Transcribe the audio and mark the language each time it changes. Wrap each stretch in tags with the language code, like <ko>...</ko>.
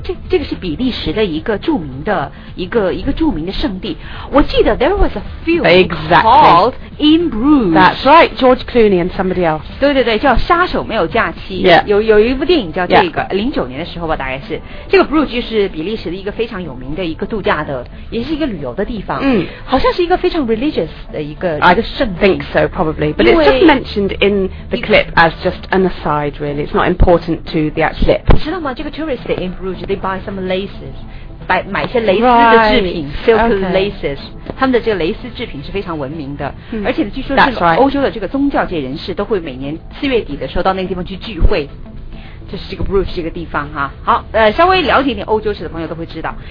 <zh>这个是比利时的一个著名的圣地。我记得</zh> <en>there was a film、 exactly. called In Bruges. That's right, George Clooney and somebody else.</en> <zh>对对对，叫杀手没有假期。</zh> <en>Yeah.</en> <zh>有一部电影叫这个， 09年的时候吧，大概是。这个 Bruges 是比利时的一个非常有名的一个度假的，也是一个旅游的地方。嗯、好像是一个非常 religious 的一个圣地。</zh> <en>I think so, probably. But it's just mentioned in the clip as just an aside, really. It's not important to the actual clip.</en> <zh>知道吗？这个</zh> <en>tourist in Bruges, they buy some laces,</en> <zh>买一些蕾丝的制品</zh> <en>right, silk laces.、 Okay.</en> <zh>他们的这个蕾丝制品是非常闻名的、 hmm. 而且据说是欧洲的这个宗教界人士都会每年四月底的时候到那个地方去聚会。这是这个 Bruges 这个地方哈。好，稍微了解一点欧洲史的朋友都会知道。</zh>